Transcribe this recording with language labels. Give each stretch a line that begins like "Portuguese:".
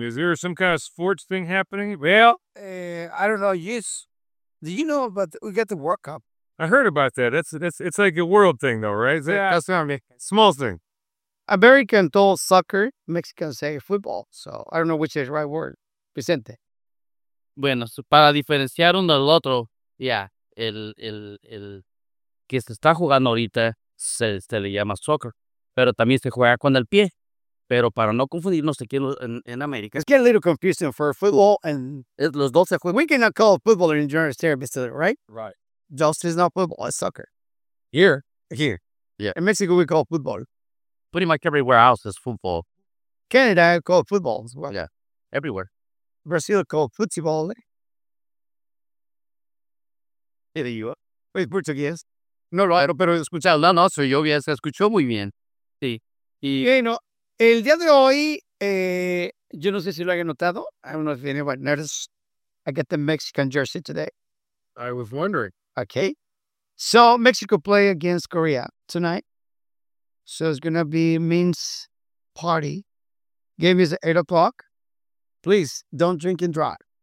English: Is there some kind of sports thing happening? Well, I don't know. Yes. Do you know about we got the World Cup? I heard about that. It's like a world thing, though, right? Yeah. Small thing. American told soccer, Mexicans say football. So I don't know which is the right word. Vicente.
Spanish: Bueno, para diferenciar uno del otro, yeah, el que se está jugando ahorita se le llama soccer, pero también se juega con el pie. Pero para no confundirnos aquí en América.
English: It's getting a little confusing for football and...
Spanish: Los dos se juegan.
English: We cannot call football in general terms, right? Right. Just is not football, it's soccer. Here. Yeah. In Mexico, we call football. Pretty much everywhere else is football. Canada, I call football as well. Yeah, everywhere. Brazil, call football. Hey, there you are. It's Portuguese. No, right.
Spanish: Pero escuchado, no, soy yo, ya se escuchó muy bien. Sí. Bueno, el día de hoy, yo no sé si lo haya notado.
English: I don't know if anyone noticed. I got the Mexican jersey today. I was wondering. Okay. So, Mexico play against Korea tonight. So, it's going to be men's party. Game is at 8 o'clock. Please, don't drink and drive.